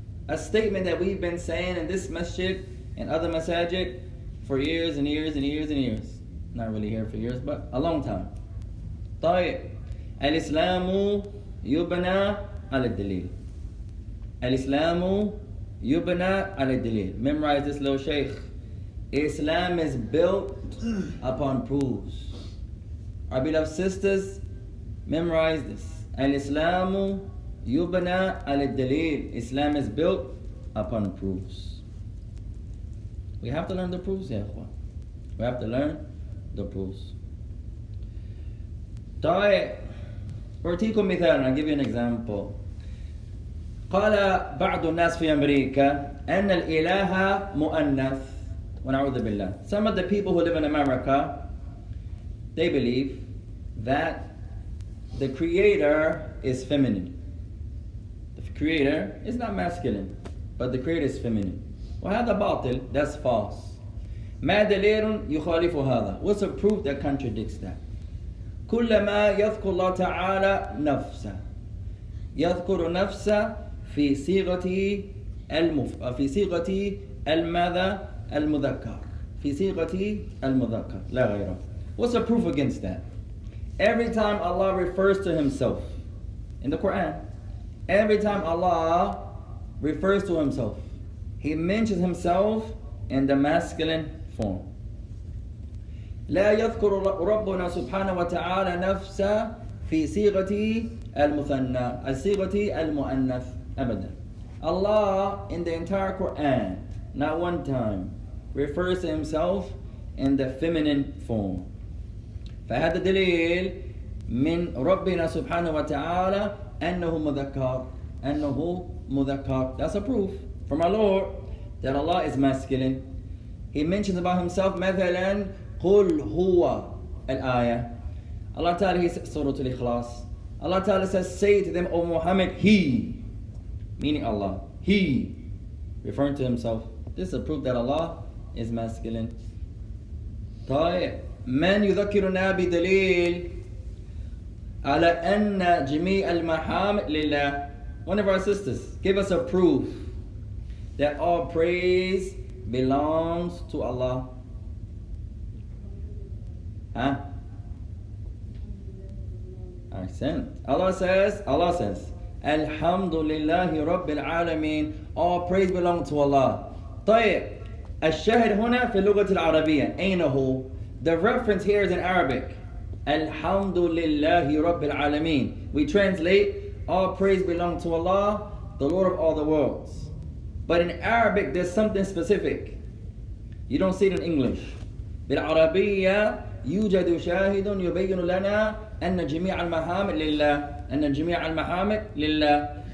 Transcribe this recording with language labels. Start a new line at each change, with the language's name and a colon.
English: a statement that we've been saying in this masjid and other masajid for years and years and years and years. Not really here for years, but a long time.
Arabic: طيب الإسلام يبنى على الدليل. الإسلام يبنى على الدليل.
English: Memorize this little sheikh. Islam is built upon proofs. Our beloved sisters, memorize this.
Arabic: الإسلام يبنى على الدليل.
English: Islam is built upon proofs. We have to learn the proofs, ya ikhwan. We have to learn the proofs.
Arabic: طيب أعطيكم مثال.
English: I'll give you an example.
Arabic: قال بعض الناس في أمريكا أن الإله مؤنث. ونعوذ بالله.
English: Some of the people who live in America, they believe that the creator is feminine. The creator is not masculine, but the creator is feminine.
Arabic: وهذا باطل.
English: That's false.
Arabic: ما دليل يخالف هذا.
English: What's a proof that contradicts that?
Arabic: كلما يذكر الله تعالى نفسه يذكر نفسه في صيغتي المف في صيغتي الماذا المذكر في صيغتي المذكر لا غيره.
English: What's the proof against that? Every time Allah refers to Himself in the Quran, every time Allah refers to Himself, He mentions Himself in the masculine form.
Arabic: لا يذكر ربنا سبحانه وتعالى نفسه في صيغتي المثنى صيغتي المؤنث أبدا.
English: Allah in the entire Quran, not one time, refers to Himself in the feminine form.
Arabic: فهذا دليل من ربنا سبحانه وتعالى أنه مذكر أنه مذكر.
English: That's a proof from our Lord that Allah is masculine. He mentions about Himself,
Arabic: مثلا قل هو الآية.
English: Allah Ta'ala, He says, Surah Al-Ikhlas. Allah Ta'ala says, say to them, O Muhammad, He, meaning Allah, He, referring to Himself. This is a proof that Allah is masculine.
Arabic: طيب من يذكرنا بدليل على أن جميع المحامد لله.
English: One of our sisters, give us a proof that all praise belongs to Allah. Huh? I sent. Allah says,
Arabic: Alhamdulillahi Rabbil Alameen.
English: All praise belong to Allah.
Arabic: طيب الشاهد هنا في اللغة العربية أين هو؟
English: The reference here is in Arabic.
Arabic: Alhamdulillahi Rabbil Alameen.
English: We translate, all praise belong to Allah, the Lord of all the worlds. But in Arabic, there's something specific. You don't see it in English.
Arabic: بالعربية يوجد شاهد يبين لنا أن جميع المحامد لله أن جميع المحامد لله.